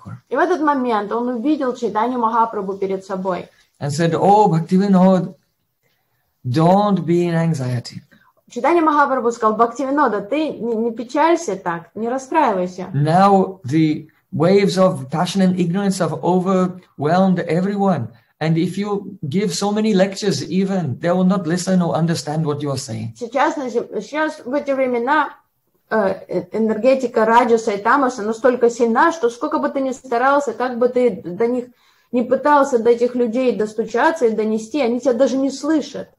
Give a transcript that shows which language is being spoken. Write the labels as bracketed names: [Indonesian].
[Russian] И в этот момент он увидел Чайтанью Махапрабху перед собой. [English] And said, "О, Бхактивинод, don't be in anxiety." [Russian] Чайтанья Махапрабху сказал: Бхактивинода, ты не печалься так, не расстраивайся. [English] Now the waves of passion and ignorance have overwhelmed everyone. And if you give so many lectures even, they will not listen or understand what you are saying. [Russian] Сейчас в эти времена энергетика Раджаса и Тамаса настолько сильна, что сколько бы ты ни старался, как бы ты до них не пытался до этих людей достучаться и донести, они тебя даже не слышат.